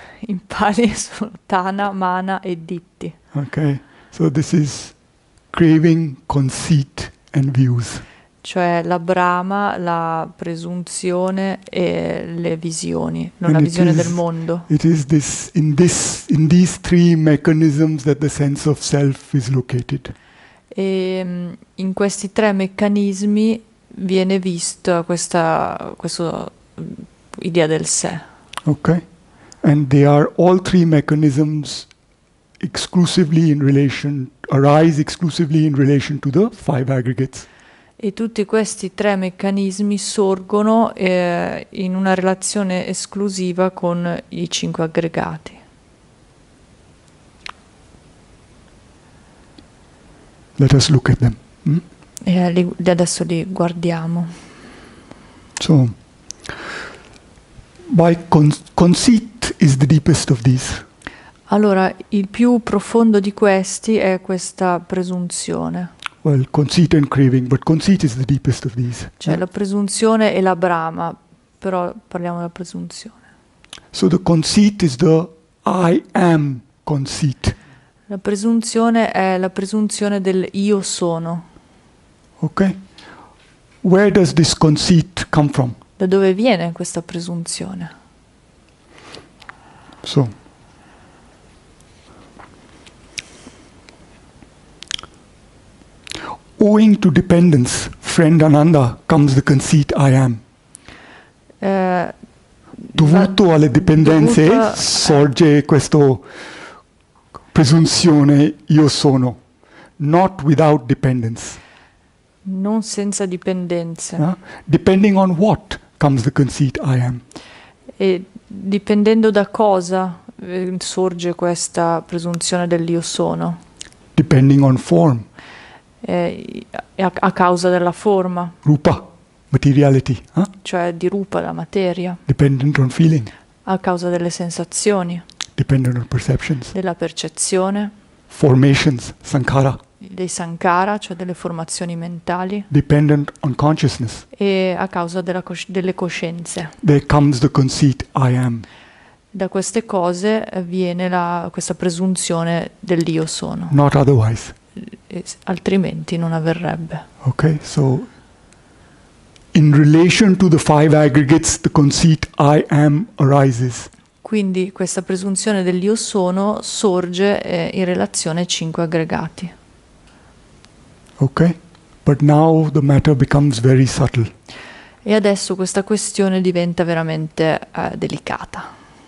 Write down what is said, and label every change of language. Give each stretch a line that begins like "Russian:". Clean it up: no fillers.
Italian: In pali sono tana, mana e ditti.
English: Okay, so this is craving, conceit and views.
Italian: Cioè la brama, la presunzione e le visioni, non la
English: And
Italian: visione del mondo.
English: it is this in these three mechanisms that the sense of self is located.
Italian: E in questi tre meccanismi viene vista questa idea del sé.
English: Okay. And they are all three mechanisms arise exclusively in relation to the five aggregates.
Italian: E tutti questi tre meccanismi sorgono in una relazione esclusiva con i cinque aggregati.
English: Let us look at them.
Italian: Adesso li guardiamo.
English: So, by conceit is the deepest of these.
Italian: Allora, il più profondo di questi è questa presunzione.
English: Well, conceit and craving, but conceit is the deepest of these.
Italian: Cioè la presunzione e la brama, però parliamo della presunzione.
English: So the conceit is the I am conceit.
Italian: La presunzione è la presunzione del io sono.
English: Okay. Where does this conceit come from?
Italian: Da dove viene questa presunzione?
English: So, owing to dependence, friend Ananda, comes the conceit I am.
Italian: Dovuto alle dipendenze, sorge questa presunzione io sono.
English: Not without dependence.
Italian: Non senza dipendenze.
English: Depending on what comes the conceit I am.
Italian: E dipendendo da cosa sorge questa presunzione del io sono?
English: Depending on form.
Italian: A causa della forma, cioè
English: Rupa, materiality,
Italian: di rupa, la materia, a
English: Dependent on feeling.
Italian: causa delle sensazioni,
English: Dependent on perceptions.
Italian: della percezione,
English: Formations, sankhara.
Italian: dei sankhara, cioè delle formazioni mentali, e
English: Dependent on consciousness.
Italian: a causa delle coscienze.
English: There comes the conceit I am.
Italian: Da queste cose viene questa presunzione dell'io sono.
English: Not otherwise.
Italian: Altrimenti non avverrebbe.
English: Okay, so in relation to the five aggregates, the conceit I am arises.
Italian: Quindi questa presunzione dell'io sono sorge in relazione ai cinque aggregati.
English: Okay, but now the matter becomes very subtle.
Italian: E adesso questa questione diventa veramente delicata.